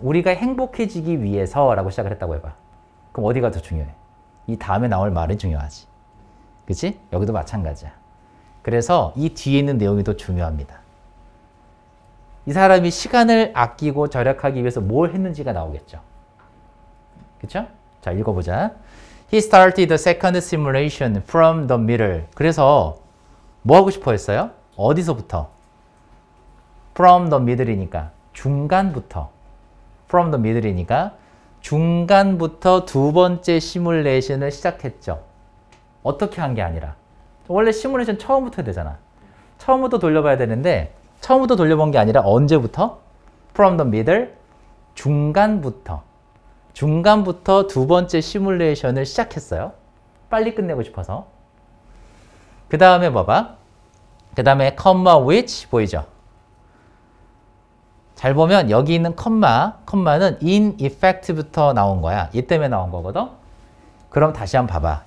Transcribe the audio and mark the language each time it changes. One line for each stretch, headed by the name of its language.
Korean: 우리가 행복해지기 위해서라고 시작을 했다고 해봐. 그럼 어디가 더 중요해? 이 다음에 나올 말이 중요하지. 그치? 여기도 마찬가지야. 그래서 이 뒤에 있는 내용이 더 중요합니다. 이 사람이 시간을 아끼고 절약하기 위해서 뭘 했는지가 나오겠죠. 그쵸? 자, 읽어보자.
English: He started the second simulation from the middle.
Korean: 그래서 뭐 하고 싶어 했어요? 어디서부터? From the middle이니까 중간부터. From the middle이니까 중간부터 두 번째 시뮬레이션을 시작했죠. 어떻게 한 게 아니라. 원래 시뮬레이션 처음부터 해야 되잖아. 처음부터 돌려봐야 되는데 처음부터 돌려본 게 아니라 언제부터? From the middle, 중간부터. 중간부터 두 번째 시뮬레이션을 시작했어요. 빨리 끝내고 싶어서. 그 다음에 봐봐. 그 다음에 comma which 보이죠? 잘 보면 여기 있는 comma, 콤마는 in effect부터 나온 거야. 얘 때문에 나온 거거든? 그럼 다시 한번 봐봐.